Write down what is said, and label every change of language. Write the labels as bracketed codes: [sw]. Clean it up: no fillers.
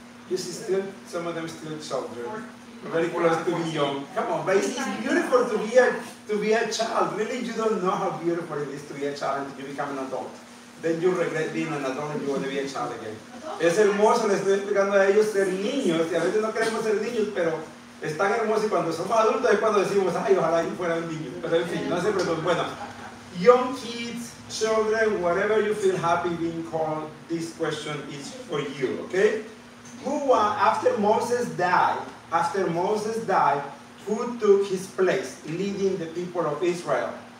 [en] You see, still, some of them still children. Very close to be young. Come on, but it's beautiful to be a child. Really, you don't know how beautiful it is to be a child and you become an adult. Then you regret being an adult and you want to be a child again. [es] Es hermoso, le estoy explicando a ellos ser niños, y a veces no queremos ser niños, pero es tan hermoso, y cuando somos adultos es cuando decimos, ay, ojalá yo fuera un niño. Pero en fin, no se preocupen. [en] Bueno, young kids, children, whatever you feel happy being called, this question is for you, okay? After Moses died, who took his place leading the people of Israel?